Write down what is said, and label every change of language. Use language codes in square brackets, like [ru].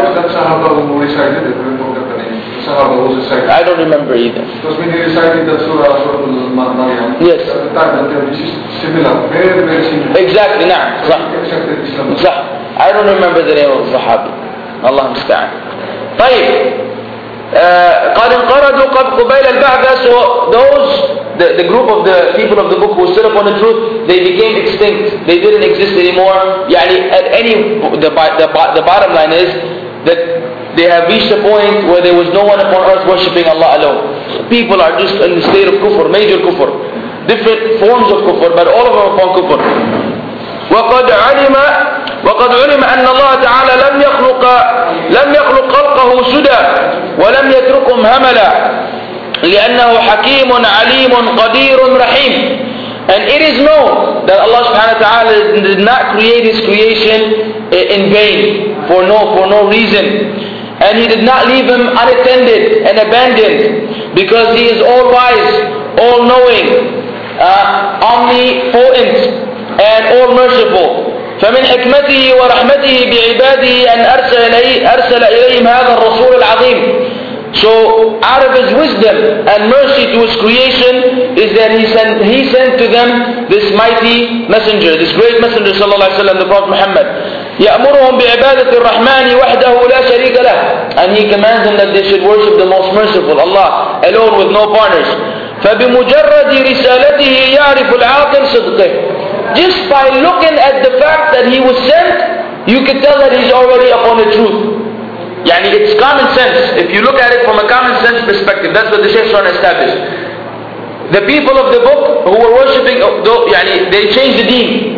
[en] Was that Sahaba who recited it? I don't remember either. Because when he recited the Surah Maryam, yes, at the time, that was similar, very, very similar. Exactly, now. So he accepted Islam. I don't remember the name of Sahabi. Allah musta'an. [ar] Tayyib. قَدْ انْقَرَضُوا قَبْ قُبَيْلَ الْبَعْثَ, so those [en] the group of the people of the book who stood upon the truth, they became extinct. They didn't exist anymore. Yani at any, the bottom line is that they have reached a point where there was no one upon earth worshipping Allah alone. People are just in the state of kufr, major kufr. Different forms of kufr, but all of them upon kufr. [ar] وقد علم أن الله تعالى لم يخلق خلقه سدى ولم يتركهم هملا لأنه حكيم عليم قدير رحيم. [en] And it is known that Allah subhanahu wa ta'ala did not create His creation in vain, for no reason. And He did not leave him unattended and abandoned, because He is all wise, all knowing, omnipotent and all merciful. [ar] فمن حكمته ورحمته بعباده أن أرسل إليهم هذا الرسول العظيم. [en] So out of His wisdom and mercy to His creation is that He sent to them this mighty messenger, this great messenger صلى الله عليه وسلم, the Prophet Muhammad. [ar] يأمرهم بعبادة الرحمن وحده لا شريك له. [en] And He commands them that they should worship the most merciful, Allah, alone with no partners. [ar] فبمجرد رسالته يعرف العاقل صدقه. [en] Just by looking at the fact that He was sent, you can tell that He's already upon the truth. Yani it's common sense. If you look at it from a common sense perspective, that's what the Shaykh Sharan established. The people of the book who were worshipping, yani they changed the deen.